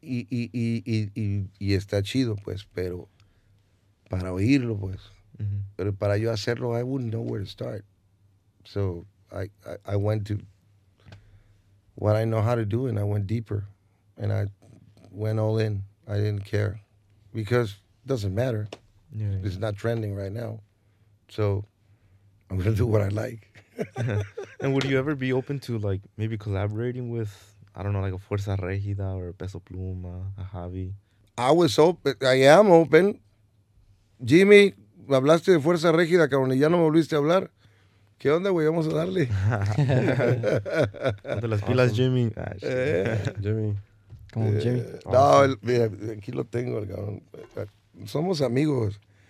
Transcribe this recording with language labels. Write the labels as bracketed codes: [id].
[es] Y está chido, pues, pero para oírlo, pues. Pero para yo hacerlo, [en] I wouldn't know where to start. So I went to what I know how to do, and I went deeper. And I went all in. I didn't care. Because it doesn't matter. Yeah, it's not trending right now. So I'm going to do what I like. And would you ever be open to, like, maybe collaborating with, I don't know, like a Fuerza Regida or a Peso Pluma, a Javi? I was open. I am open. [es] Jimmy, hablaste de Fuerza Regida, cabrón, y ya no me volviste a hablar. ¿Qué onda, güey? Vamos a darle. De las pilas, awesome. Jimmy. Jimmy. [en] Come on, Jimmy. [es] Awesome. No, mira, aquí lo tengo, el cabrón. Somos amigos.